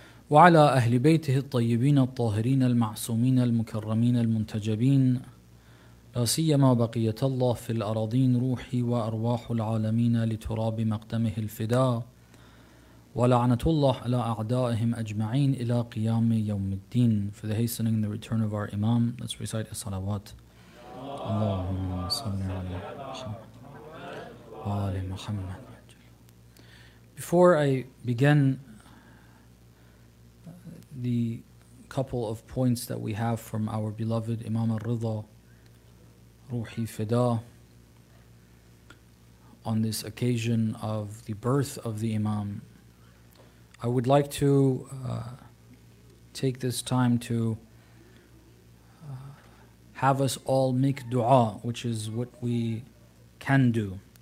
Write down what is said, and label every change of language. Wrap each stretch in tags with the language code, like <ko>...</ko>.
<ar>وعلى أهل بيته الطيبين الطاهرين المعصومين المكرمين المنتجبين، لا سيما بقية الله في الأراضين روحي وأرواح العالمين لتراب مقدمه الفداء، ولعنة الله على أعدائهم أجمعين إلى قيام يوم الدين.</ar> <en>For the hastening the return of our Imam, let's recite الصلوات.</en> <ar>اللهم صل على محمد وآل محمد.</ar> <en>Before I begin the couple of points that we have from our beloved Imam al-Ridha</en> <ar>روحي فدا</ar> <en>on this occasion of the birth of the Imam, I would like to take this time to have us all make dua, which is what we can do.</en>